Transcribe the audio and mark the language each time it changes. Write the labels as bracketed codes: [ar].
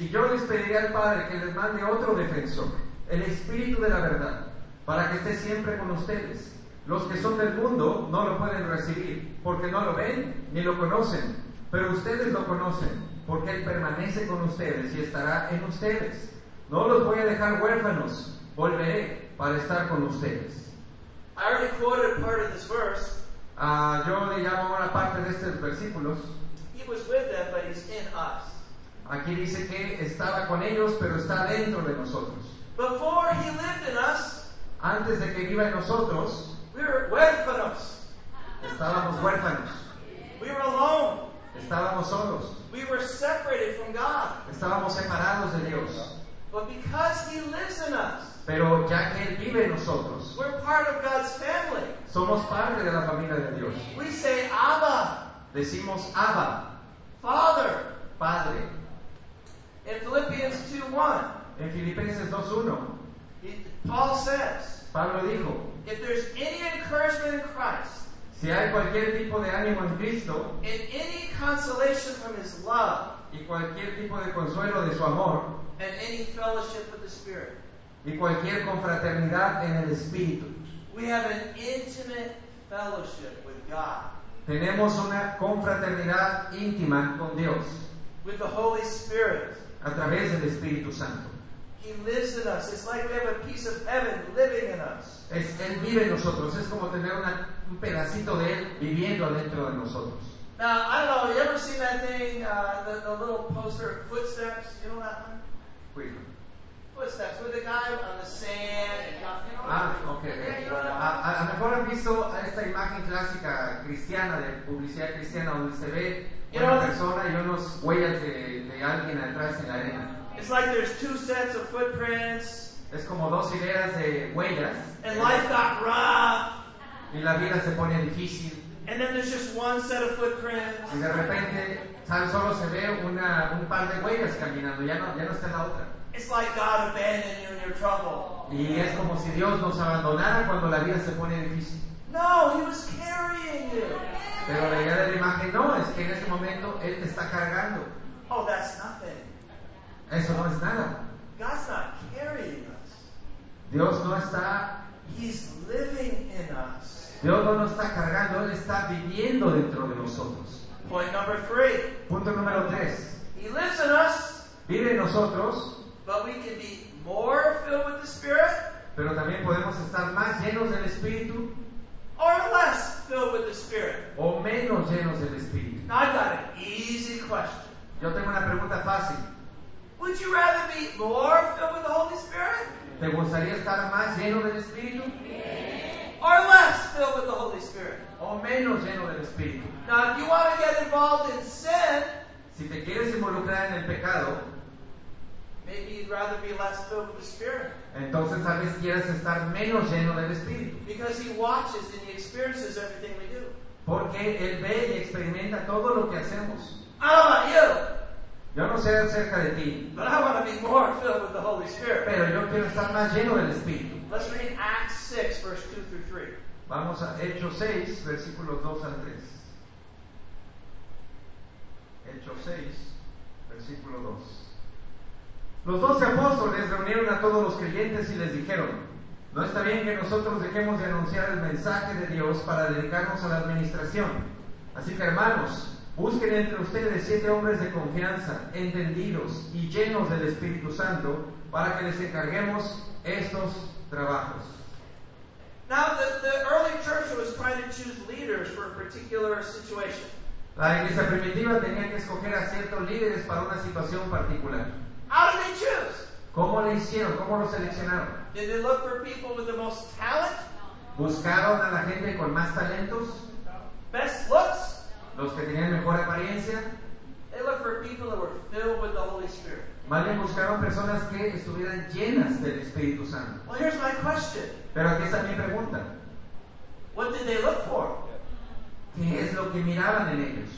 [es] Y yo les pediré al Padre que les mande otro defensor, el Espíritu de la verdad, para que esté siempre con ustedes. Los que son del mundo no lo pueden recibir, porque no lo ven ni lo conocen, Pero ustedes lo conocen, porque Él permanece con ustedes y estará en ustedes. No los voy a dejar huérfanos. Volveré para estar con ustedes. [en] I already quoted part of this verse. [es] Yo le llamo una parte de estos versículos. [en] He was with them, but he's in us. [es] Aquí dice que estaba con ellos, pero está dentro de nosotros. [en] Before he lived in us, [es] antes de que viva en nosotros, [en] we were huérfanos. [es] Estábamos huérfanos. [en] We were alone. [es] Estábamos solos. [en] We were separated from God. [es] Estábamos separados de Dios. [en] But because he lives in us, [es] pero ya que él vive en nosotros, [en] we're part of God's family. [es] Somos parte de la familia de Dios. [en] We say Abba. [es] Decimos Abba. [en] Father. [es] Padre. [en] In Philippians 2:1. [es] En Filipenses 2:1. [en] Paul says. [es] Pablo dijo. [en] If there's any encouragement in Christ. [es] Si hay cualquier tipo de ánimo en Cristo. [en] And any consolation from his love. [es] Y cualquier tipo de consuelo de su amor. [en] And any fellowship with the Spirit. [es] Y cualquier confraternidad en el Espíritu. [en] We have an intimate fellowship with God. [es] Tenemos una confraternidad íntima con Dios. [en] With the Holy Spirit. [es] A través del Espíritu Santo. [en] He lives in us. It's like we have a piece of heaven living in us. [es] Él vive en nosotros. Es como tener un pedacito de Él viviendo dentro de nosotros. [en] Now, I don't know, have you ever seen that thing, the little poster, Footsteps? You know that one? Footsteps, with the guy on the sand. Ah, okay. [es] A lo mejor han visto esta imagen clásica cristiana, de publicidad cristiana, donde se ve una persona y unos huellas de alguien atrás en la arena. [en] It's like there's two sets of footprints. [es] Es como dos hileras de huellas. [en] And life got rough. [es] Y la vida se pone difícil. [en] And then there's just one set of footprints. [es] Y de repente, ¿sabes? Solo se ve un par de huellas caminando, ya no está la otra. [en] It's like God abandoned you in your trouble. [es] Y es como si Dios nos abandonara cuando la vida se pone difícil. [en] No, he was carrying you. [es] Pero la idea de la imagen no, es que en ese momento Él te está cargando. [en] Oh, that's nothing. [es] Eso no es nada. [en] God's not carrying us. [es] Dios no está. [en] He's living in us. [es] Dios no nos está cargando, Él está viviendo dentro de nosotros. [en] Point number three. [es] Punto número tres. [en] He lives in us. [es] Vive en nosotros. [en] But we can be more filled with the Spirit. [es] Pero también podemos estar más llenos del Espíritu. [en] Or less filled with the Spirit. [es] O menos llenos del Espíritu. [en] Now I've got an easy question. [es] Yo tengo una pregunta fácil. [en] Would you rather be more filled with the Holy Spirit? [es] ¿Te gustaría estar más lleno del Espíritu? [en] Or less filled with the Holy Spirit? [es] O menos lleno del Espíritu. [en] Now if you want to get involved in sin. [es] Si te quieres involucrar en el pecado. [en] Maybe you'd rather be less filled with the Spirit. [es] Entonces tal vez quieras estar menos lleno del Espíritu. [en] Because he watches and he experiences everything we do. [es] Porque él ve y experimenta todo lo que hacemos. [en] How about you? [es] Yo no sé acerca de ti. [en] But I want to be more filled with the Holy Spirit. [es] Pero yo quiero estar más lleno del Espíritu. [en] Let's read Acts 6, verse 2 through 3. [es] Vamos a Hechos 6, versículos 2 al 3. Hechos 6, versículo 2. Los doce apóstoles reunieron a todos los creyentes y les dijeron: no está bien que nosotros dejemos de anunciar el mensaje de Dios para dedicarnos a la administración. Así que, hermanos, busquen entre ustedes siete hombres de confianza, entendidos y llenos del Espíritu Santo, para que les encarguemos estos trabajos. [en] Now, the early church was trying to choose leaders for a particular situation. [es] La iglesia primitiva tenía que escoger a ciertos líderes para una situación particular. [en] How did they choose? [es] ¿Cómo le hicieron? ¿Cómo lo seleccionaron? [en] Did they look for people with the most talent? [es] ¿Buscaron a la gente con más talentos? [en] Best looks? [es] ¿Los que tenían mejor apariencia? [en] They looked for people that were filled with the Holy Spirit. [es] Más bien buscaron personas que estuvieran llenas del Espíritu Santo. [en] Well, here's my question. [es] Pero aquí está mi pregunta. [en] What did they look for? [es] ¿Qué es lo que miraban en ellos?